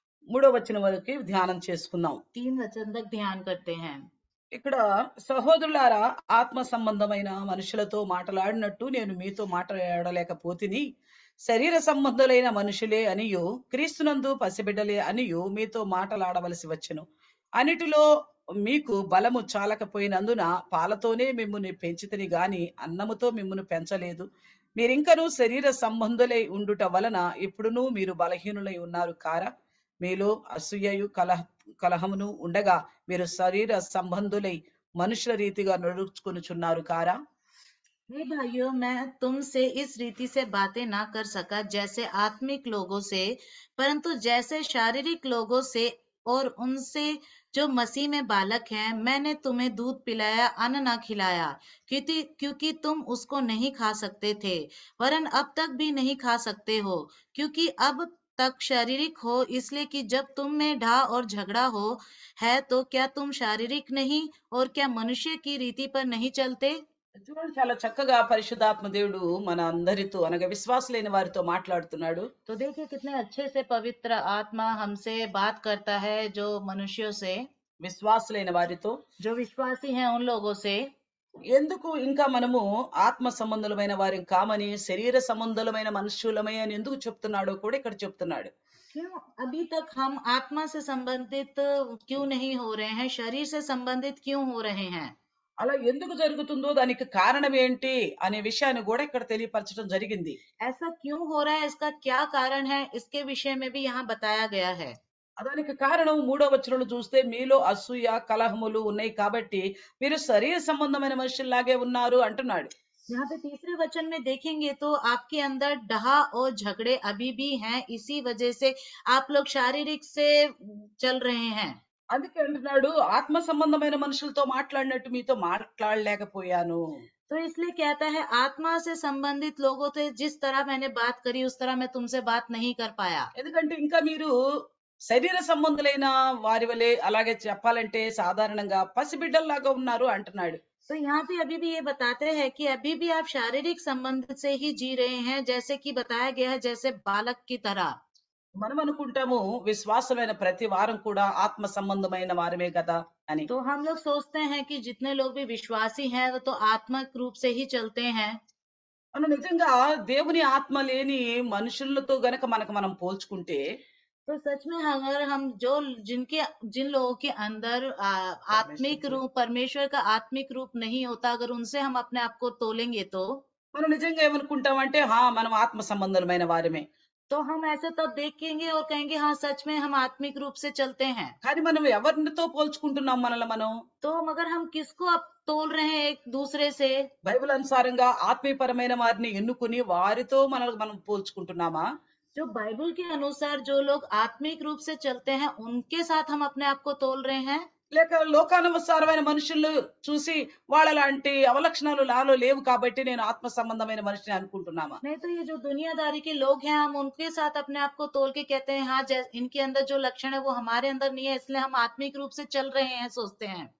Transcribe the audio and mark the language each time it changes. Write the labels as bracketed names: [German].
[Telugu] मूडो वचन वरकु ध्यानं चेसुकुन्नाम [Hindi] तीन वचन तक ध्यान करते हैं। [Telugu] ఇక్కడ సహోదరులారా, ఆత్మ సంబంధమైన మనుషులతో మాట్లాడినట్టు నేను మీతో మాట్లాడలేకపోతిని. శరీర సంబంధులైన మనుషులే అనియు, క్రీస్తునందు పసిబిడ్డలే అనియు మీతో మాట్లాడవలసి వచ్చెను. అన్నిటిలో మీకు బలము చాలకపోయినందున పాలతోనే మిమ్మల్ని పెంచితిని గాని అన్నముతో మిమ్మల్ని పెంచలేదు. మీరింకనూ శరీర సంబంధులై ఉండుట వలన ఇప్పుడునూ మీరు బలహీనులై ఉన్నారు కారా. మీలో అసూయయు కలహమును ఉండగా మీరు శరీర సంబంధులై మనుషుల రీతిగా నడుచుకొనుచున్నారు కారా. [Hindi] हे भाइयों, मैं तुमसे इस रीति से बातें ना कर सका जैसे आत्मिक लोगों से, परंतु जैसे शारीरिक लोगों से और उनसे जो मसीह में बालक हैं। मैंने तुम्हें दूध पिलाया, अन्न ना खिलाया, क्योंकि तुम उसको नहीं खा सकते थे, वरन अब तक भी नहीं खा सकते हो, क्योंकि अब तक शारीरिक हो। इसलिए कि जब तुम में ढा और झगड़ा हो है, तो क्या तुम शारीरिक नहीं और क्या मनुष्य की रीति पर नहीं चलते? [Telugu] చూడండి, చాలా చక్కగా పరిశుద్ధాత్మ దేవుడు మన అందరితో, అనగా విశ్వాస లేని వారితో మాట్లాడుతున్నాడు. [Hindi] तो देखिए कितने अच्छे से पवित्र आत्मा हमसे बात करता है, जो मनुष्यों से, [Telugu] విశ్వాస లేని వారితో [Hindi] जो विश्वासी हैं उन लोगों से। [Telugu] ఎందుకు ఇంకా మనము ఆత్మ సంబంధులమైన వారిని కామని, శరీర సంబంధులమైన మనుష్యులమే అని ఎందుకు చెప్తున్నాడో కూడా ఇక్కడ చెప్తున్నాడు. [Hindi] क्यों अभी तक हम आत्मा से संबंधित क्यों नहीं हो रहे हैं, शरीर से संबंधित क्यों हो रहे हैं? [Telugu] అలా ఎందుకు జరుగుతుందో, దానికి కారణం ఏంటి అనే విషయాన్ని కూడా ఇక్కడ తెలియపరచడం జరిగింది. [Hindi] ऐसा क्यों हो रहा है, इसका क्या కారణం है, इसके విషయం में भी यहां बताया गया है। [Telugu] దానికి కారణం మూడో వచనంలో చూస్తే, మీలో అసూయ కలహములు ఉన్నాయి కాబట్టి మీరు శరీర సంబంధమైన మనుషుల్లాగే ఉన్నారు అంటున్నాడు. [Hindi] यहाँ पे तीसरे वचन में देखेंगे तो आपके अंदर डहा और झगड़े अभी भी हैं, इसी वजह से आप लोग शारीरिक से चल रहे हैं। [Telugu] అందుకే అంటున్నాడు, ఆత్మ సంబంధమైన మనుషులతో మాట్లాడినట్టు మీతో మాట్లాడలేకపోయాను. [Hindi] तो इसलिए कहता है, आत्मा से संबंधित लोगों से जिस तरह मैंने बात करी, उस तरह मैं तुमसे बात नहीं कर पाया। [Telugu] ఎందుకంటే ఇంకా మీరు శరీర సంబంధులైన వారి వలె, అలాగే చెప్పాలంటే సాధారణంగా పసిబిడ్డల్లాగా ఉన్నారు అంటున్నాడు. [Hindi] तो यहाँ पे अभी भी ये बताते हैं कि अभी भी आप शारीरिक संबंध से ही जी रहे हैं, जैसे कि बताया गया है, जैसे बालक की तरह। [Telugu] మనం అనుకుంటాము విశ్వాసమైన ప్రతి వారం కూడా ఆత్మ సంబంధమైన వారమే కదా అని. [Hindi] तो हम लोग सोचते हैं कि जितने लोग भी विश्वासी हैं वो तो आत्मिक रूप से ही चलते हैं। [Telugu] మనం నిజంగా దేవుని ఆత్మ లేని మనుషులతో గనక మనకు మనం పోల్చుకుంటే [Hindi] तो सच में अगर हम जो जिनके जिन लोगों के अंदर आत्मिक परमेश्वर रूप, परमेश्वर का आत्मिक रूप नहीं होता, अगर उनसे हम अपने आप को तोलेंगे [Telugu] మనం నిజంగా ఏమనుకుంటాం అంటే, హా మనం ఆత్మ సంబంధమైన వారమే. [Hindi] तो हम ऐसे तब देखेंगे और कहेंगे हाँ सच में हम आत्मिक रूप से चलते हैं। [Telugu] కానీ మనం ఎవరితో పోల్చుకుంటున్నాం మనల్ని మనం? [Hindi] तो मगर हम किसको अब तोल रहे हैं एक दूसरे से? [Telugu] బైబిల్ అనుసారంగా ఆత్మీయపరమైన వారిని ఎన్నుకుని వారితో మనల్ని మనం పోల్చుకుంటున్నామా? [Hindi] जो बाइबल के अनुसार जो लोग आत्मिक రూప్ से चलते हैं, उनके साथ हम अपने आप को तोल रहे हैं? [Telugu] లేక లోకానుసారమైన మనుషులు చూసి వాళ్ళలాంటి అవలక్షణాలు నాలో లేవు కాబట్టి నేను ఆత్మ సంబంధమైన మనిషిని అనుకుంటున్నామా? [Hindi] नहीं तो ये जो दुनियादारी के लोग हैं, हम उनके साथ अपने आप को तोल के कहते हैं हाँ इनके अंदर जो लक्षण है वो हमारे अंदर नहीं है, इसलिए हम आत्मिक रूप से चल रहे हैं सोचते हैं।